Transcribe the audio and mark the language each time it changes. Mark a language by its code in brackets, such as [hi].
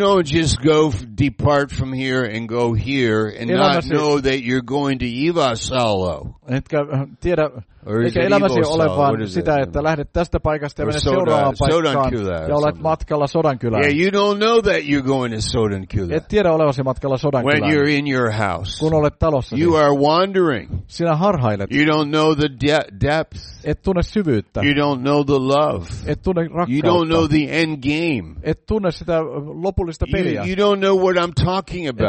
[en] you don't just go depart from here and go here and not know that you're going to Ivasalo. [fi] Etkä tiedä. Eikä elämäsi ole vaan sitä, että lähdet tästä paikasta ja menet seuraavaan paikkaan ja olet matkalla Sodankylään. [en] Yeah, you don't know that you're going to Sodankylä. [fi] Et tiedä olevasi matkalla Sodankylään. [en] When you're in your house. [fi] Kun olet talossa. [en] You are wandering. [fi] Sinä harhailet. [en] You don't know the depth. [fi] Et tunne syvyyttä. [en] You don't know the love. [fi] Et tunne rakkautta. [en] You don't know the end game. [fi] Et tunne sitä lopullista peliä. [en] You don't know what I'm talking about.